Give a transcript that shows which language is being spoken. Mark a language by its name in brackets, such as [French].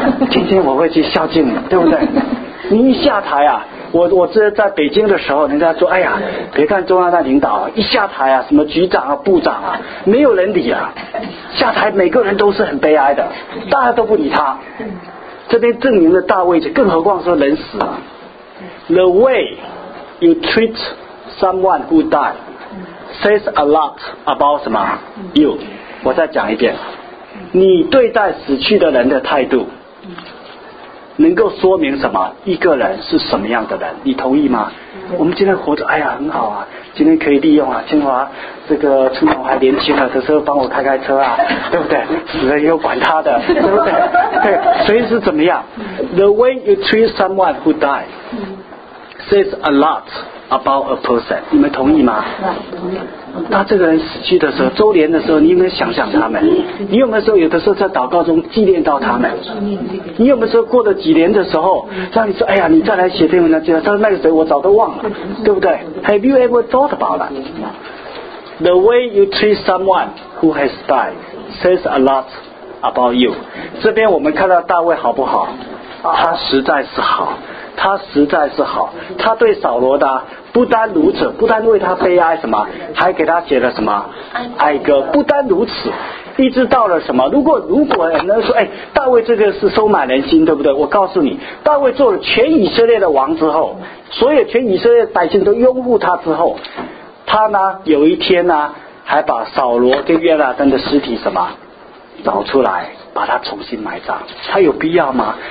[Chinese] 今天我会去孝敬你，对不对？你一下台啊，我这在北京的时候，人家说，哎呀，别看中央的领导一下台啊，什么局长啊、部长啊，没有人理啊，下台每个人都是很悲哀的，大家都不理他。这边证明了大卫，更何况说人死了。 [English] The way you treat someone who died says a lot about [Chinese] 什么 [English] you。 [Chinese] 我再讲一遍，你对待死去的人的态度能够说明什么，一个人是什么样的人，你同意吗？我们今天活着，哎呀很好啊，今天可以利用啊，清华这个春华还年轻啊，这时候帮我开开车啊，对不对？死了又管他的，对不对？对，所以是怎么样？ [English] The way you treat someone who died says a lot about a person， [Chinese] 你们同意吗？他这个人死去的时候，周年的时候，你有没有想想他们？你有没有时候有的时候在祷告中纪念到他们？你有没有时候过了几年的时候，让你说，哎呀，你再来写篇文章，就说那个谁我早都忘了，对不对？ [English] Have you ever thought about that? The way you treat someone who has died says a lot about you。 [Chinese] 这边我们看到大卫好不好？他实在是好，他实在是好。他对扫罗的不单如此，不单为他悲哀什么，还给他写了什么哀歌。不单如此，医治到了什么？如果有人说，哎，大卫这个是收买人心，对不对？我告诉你，大卫做了全以色列的王之后，所有全以色列百姓都拥护他之后，他呢有一天呢，还把扫罗跟约拿单的尸体什么找出来，把他重新埋葬，他有必要吗？